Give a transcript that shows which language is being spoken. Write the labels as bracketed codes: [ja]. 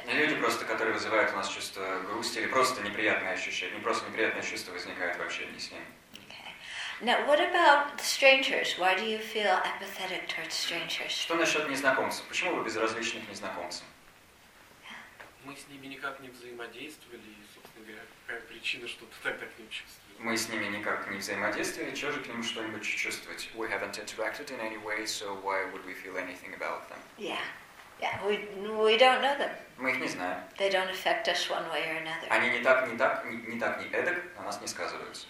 [ru] Люди просто, которые вызывают у нас чувство грусти или просто неприятное ощущение, просто неприятное чувство возникает вообще не с ним. [en] Now, what about strangers? Why do you feel empathetic towards strangers? [ru] Что насчет незнакомцев? Почему вы безразличны к незнакомцам? Мы с ними никак не взаимодействовали, и, собственно говоря, какая причина, что ты тогда к ним чувствуешь? Мы с ними никак не взаимодействовали, чего же к ним что-нибудь чувствовать? [en] We haven't interacted in any way, so why would we feel anything about them? Yeah, we don't know them. [ru] Мы их не знаем. [en] They don't affect us one way or another. [ru] Они не так, не эдак на нас не сказываются.